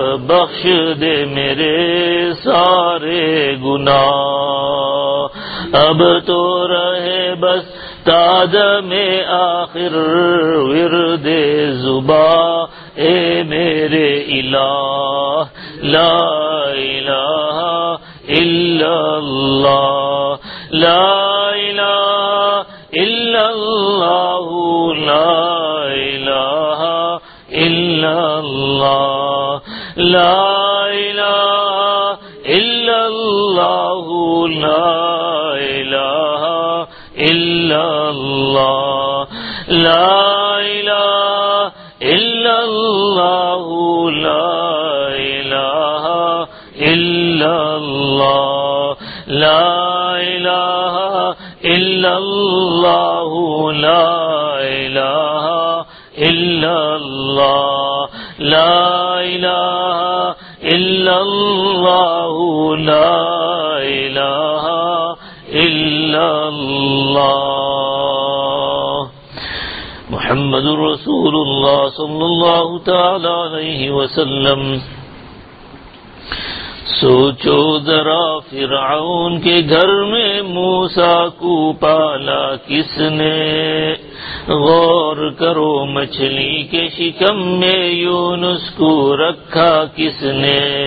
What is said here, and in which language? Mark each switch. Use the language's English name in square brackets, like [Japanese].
[Urdu] بخش دے میرے سارے گناہ اب تو رہے بس تادم آخر ورد زباں اے میرے الہ [Arabic] لا الہ الا اللہ لا إله إلا الله لا إله إلا الله لا إله إلا الله لا إله إلا الله لا إله إلا الله لا إله إلا الله لا إله إلا الله لا إله إلا الله لا إله إلا الله لا إله إلا الله محمد رسول الله صلى الله تعالى عليه وسلم. [Urdu] سوچو ذرا فرعون کے گھر میں موسیٰ کو پالا کس نے, غور کرو مچھلی کے شکم میں یونس کو رکھا کس نے,